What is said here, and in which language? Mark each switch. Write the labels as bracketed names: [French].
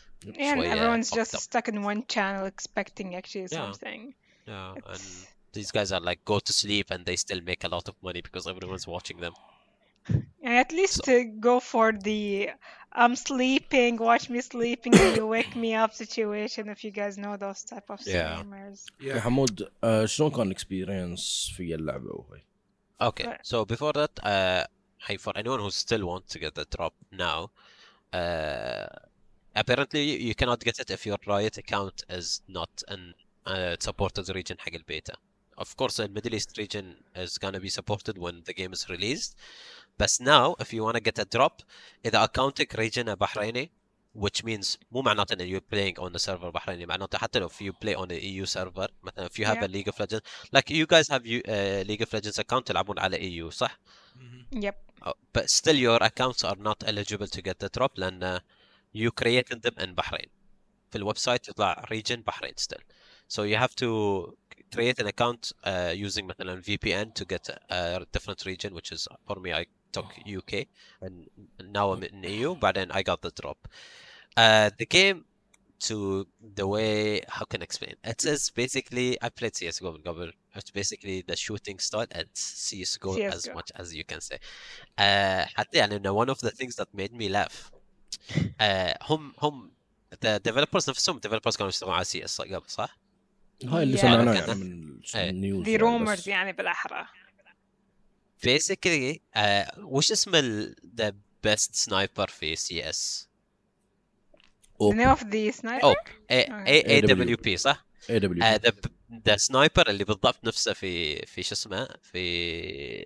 [English] and everyone's just stuck in one channel expecting actually something. Yeah, and these guys are like go to sleep and they still make a lot of money because everyone's watching them. And at least to go for the I'm sleeping, watch me sleeping and you wake me up situation, if you guys know those type of streamers. [Arabic] Yeah, Hamoud, شلون كان experience في اللعبة وهي؟ [English] Okay, so before that, for anyone who still wants to get the drop now, apparently you cannot get it if your Riot account is not in supported region حق البيتا. Of course, the Middle East region is gonna be supported when the game is released. But now, if you wanna get a drop, إذا accounting region بحريني, which means مو معناته إن you're playing on the server بحريني, معناته حتى if you play on the EU server, مثلا if you have a League of Legends, like you guys have League of Legends account تلعبون على EU, صح؟ Yep. But still, your accounts are not eligible to get the drop, لأن you created them in Bahrain. [Arabic] في الويبسايت يطلع region Bahrain still. [English] So you have to create an account using مثلا VPN to get a different region, which is for me, I took UK and now I'm in EU, but then I got the drop. The game, to the way, how can I explain? It is basically, I played CSGO and Gobble. It's basically the shooting style at CSGO as much as you can say. One of the things that made me laugh, the developers, some developers going to play CS, right? [Arabic] هاي اللي سمعناه يعني من النيوز يعني بالأحرى. [English] Basically, وش اسم the best sniper في CS؟ AWP صح؟ AWP. [Arabic] The sniper اللي بالضبط نفسه في شو اسمه في